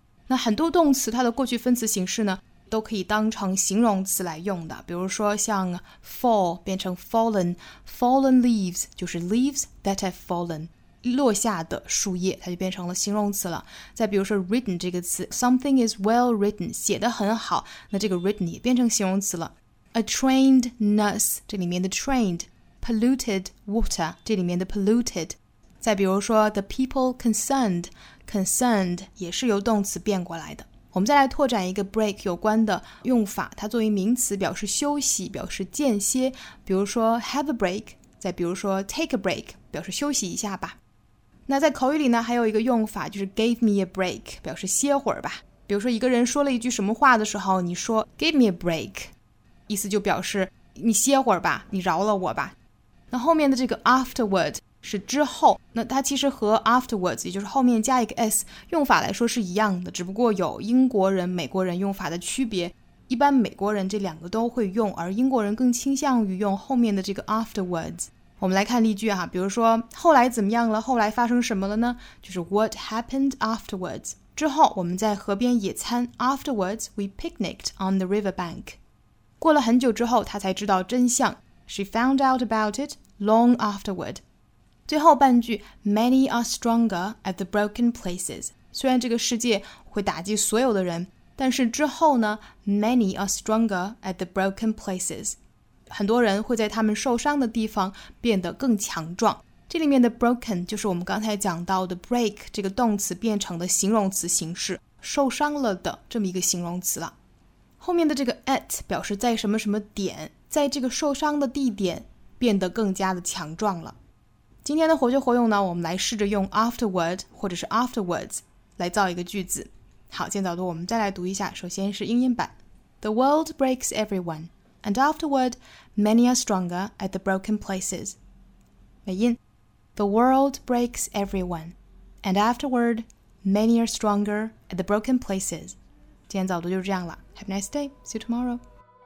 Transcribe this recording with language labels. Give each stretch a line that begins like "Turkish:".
Chinese: 那很多动词它的过去分词形式呢都可以当成形容词来用的，比如说像 fall 变成 fallen，
English: fallen leaves
Chinese: 就是
English: leaves that have fallen，
Chinese: 落下的树叶它就变成了形容词了。再比如说 written 这个词，
English: something is well written，
Chinese: 写得很好，那这个 written 也变成形容词了。
English: A trained nurse，
Chinese: 这里面的
English: trained， polluted water， 这里面的 polluted。
Chinese: 再比如说
English: the people concerned，
Chinese: concerned 也是由动词变过来的。我们再来拓展一个 break 有关的用法，它作为名词表示休息，表示间歇，比如说
English: have a break，
Chinese: 再比如说
English: take a break，
Chinese: 表示休息一下吧。那在口语里呢还有一个用法，就是
English: give me a break，
Chinese: 表示歇会儿吧。比如说一个人说了一句什么话的时候，你说
English: give me a break，
Chinese: 意思就表示你歇会儿吧，你饶了我吧。那后面的这个 afterward 是之后，那它其实和 afterwards 也就是后面加一个 s 用法来说是一样的，只不过有英国人美国人用法的区别。一般美国人这两个都会用，而英国人更倾向于用后面的这个 afterwards。我们来看例句哈，比如说后来怎么样了，后来发生什么了呢，就是
English: what happened afterwards，
Chinese: 之后我们在河边野餐，
English: afterwards we picnicked on the riverbank。
Chinese: 过了很久之后，他才知道真相。
English: She found out about it long afterward.
Chinese: 最后半句
English: ,Many are stronger at the broken places.
Chinese: 虽然这个世界会打击所有的人，但是之后呢 ,
English: Many are stronger at the broken places.
Chinese: 很多人会在他们受伤的地方变得更强壮。这里面的 broken 就是我们刚才讲到的 break 这个动词变成的形容词形式，受伤了的这么一个形容词了。后面的这个 at 表示在什么什么点，在这个受伤的地点变得更加的强壮了。今天的活学活用呢，我们来试着用 afterward 或者是 afterwards 来造一个句子。好，见早读我们再来读一下，首先是英音版。
English: The world breaks everyone, and afterward, many are stronger at the broken places.
Chinese: 美音。
English: The world breaks everyone, and afterward, many are stronger at the broken places.
Chinese: 今天早读就是这样了。
English: Have a nice day. See you tomorrow.